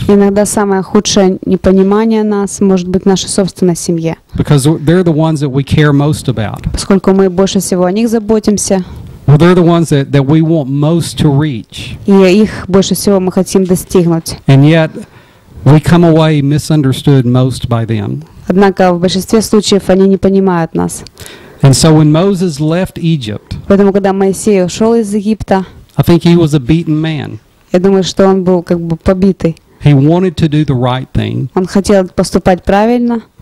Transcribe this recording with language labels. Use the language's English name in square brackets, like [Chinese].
[Russian] Иногда самое худшее непонимание нас может быть в нашей собственной семье. [English] Because they're the ones that we care most about. [Russian] Поскольку мы больше всего о них заботимся. [English] Well, they're the ones that we want most to reach. [Russian] И их больше всего мы хотим достигнуть. [English] And yet, we come away misunderstood most by them. [Russian] Однако в большинстве случаев они не понимают нас. [English] And so when Moses left Egypt, [Russian] поэтому когда Моисей ушел из Египта, [English] I think he was a beaten man. [Russian] Я думаю, что он был как бы побитый. [English] He wanted to do the right thing. [Russian] Он хотел поступать правильно.